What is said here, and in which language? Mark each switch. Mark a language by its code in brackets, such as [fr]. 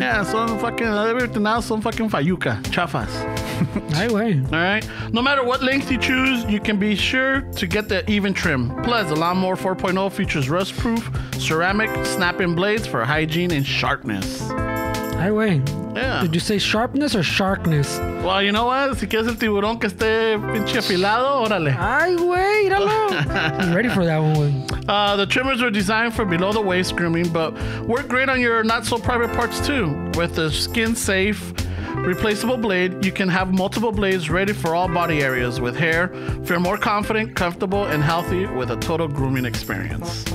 [en] Yeah, [es] son fucking, everything else, son fucking fayuca, chafas. Ay, güey. [en] All right. No matter what length you choose, you can be sure to get the even trim. Plus, the Lawnmower 4.0 features rust-proof ceramic snap-in blades for hygiene and sharpness. [es] Ay, güey. [en] Yeah. Did you say sharpness or sharkness? Well, you know what? [es] Si quieres el tiburón que esté pinche afilado, órale. Ay, güey, míralo. [en] I'm ready for that one. The trimmers are designed for below the waist grooming, but work great on your not-so-private parts, too. With the skin-safe replaceable blade, you can have multiple blades ready for all body areas with hair. Feel more confident, comfortable, and healthy with a total grooming experience.